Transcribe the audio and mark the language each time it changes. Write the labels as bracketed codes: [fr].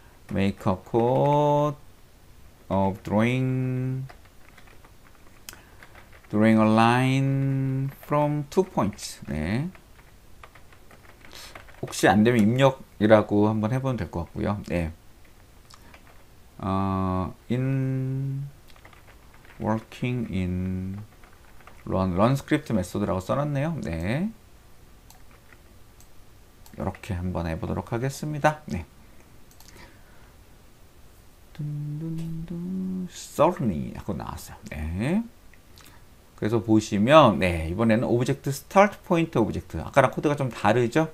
[en] Make a code of drawing a line from two points. [ko] 네. 혹시 안 되면 입력이라고 한번 해보면 될것 같고요. 네. [en] In working in run script [ko] 메소드라고 써놨네요. 네. 이렇게 한번 해보도록 하겠습니다. 네. 썰니 하고 나왔어요. 네. 그래서 보시면, 네. 이번에는 오브젝트 스타트 포인트 오브젝트. 아까랑 코드가 좀 다르죠?